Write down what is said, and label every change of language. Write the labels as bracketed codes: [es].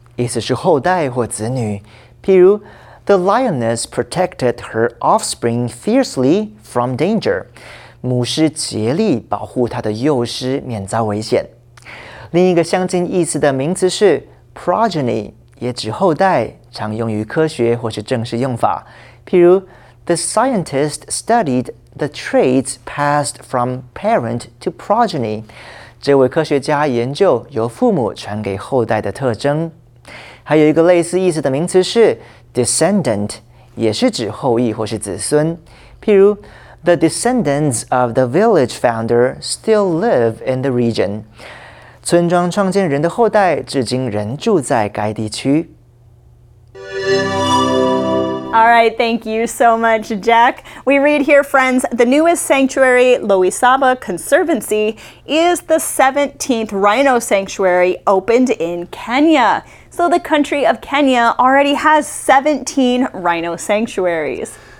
[zh] 意思是后代或子女, 譬如, [en] the lioness protected her offspring fiercely from danger. [zh] 母狮竭力保护她的幼狮免遭危险。另一个相近意思的名词是 progeny, 也指后代常用于科学或是正式用法。譬如, [en] the scientist studied the traits passed from parent to progeny. [zh] 这位科学家研究由父母传给后代的特征。还有一个类似意思的名词是 descendant， 也是指后裔或是子孙。譬如 ， [en] the descendants of the village founder still live in the region， [zh] 村庄创建人的后代至今仍住在该地区。 [en] All right, thank you so much, Jack. We read here, friends, the newest sanctuary, Loisaba Conservancy, is the 17th rhino sanctuary opened in Kenya. So the country of Kenya already has 17 rhino sanctuaries.